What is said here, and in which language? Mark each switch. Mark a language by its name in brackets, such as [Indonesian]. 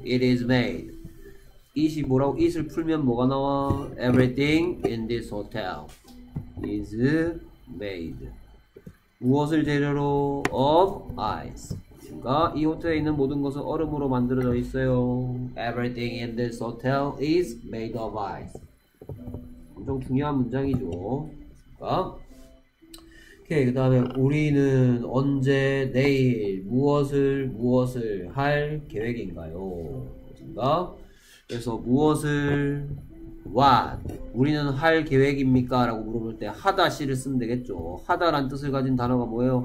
[English] it is made. it이 뭐라고? it을 풀면 뭐가 나와? everything in this hotel is made. [Korean] 무엇을 재료로? of ice. 그러니까 이 호텔에 있는 모든 것은 얼음으로 만들어져 있어요. [English] everything in this hotel is made of ice. [Korean] 엄청 중요한 문장이죠. 그러니까 오케이. 그 다음에 우리는 언제, 내일, 무엇을 할 계획인가요? 그렇습니까? 그래서 무엇을, what, 우리는 할 계획입니까? 라고 물어볼 때 하다 시를 쓰면 되겠죠. 하다란 뜻을 가진 단어가 뭐예요?